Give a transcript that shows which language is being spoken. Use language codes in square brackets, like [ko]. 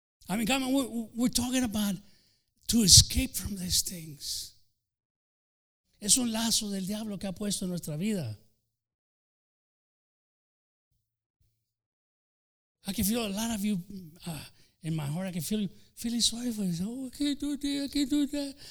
[en] I mean, come on, we're talking about to escape from these things. [es] Es un lazo del diablo que ha puesto en nuestra vida. [en] I can feel a lot of you in my heart. I can feel you feeling sorry for yourself. Oh, I can't do this, I can't do that.